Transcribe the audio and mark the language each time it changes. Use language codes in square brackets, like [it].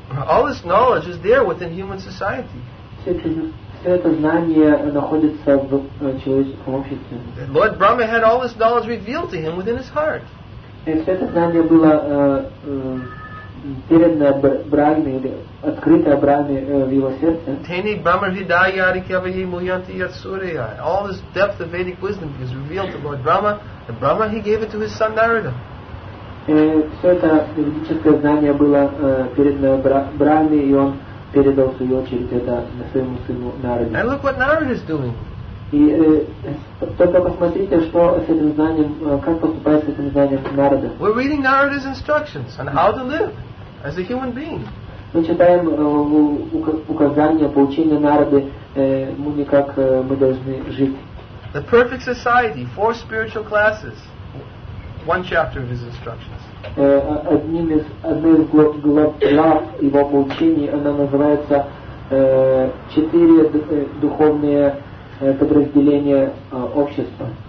[en] All this knowledge is there within human society. [ru] Все это знание находится в человеческом обществе. [en] Lord Brahma had all this knowledge revealed to him within his heart. [ru] И все это знание было передано Брахме, открыто Брахме в его сердце. Тени Брахма Хридая Арикавахи Муянти Ятсурия. [en] All this depth of Vedic wisdom was revealed to Lord Brahma, and Brahma he gave it to his son Narada. [ru] Все это ведическое знание было передано Брахме, и он передал свою очередь это своему сыну Нараде. [en] And look what Narada is doing. [ru] И только посмотрите, что с этим знанием, как поступает с этим знанием Нарада. [en] We're reading Narada's instructions on how to live as a human being. [ru] Мы читаем указания, поучения Нарады, муни, как мы должны жить. [en] The perfect society, four spiritual classes, one chapter of his instructions. [ru] Одним из глав его поучений, она называется четыре духовные подразделения общества.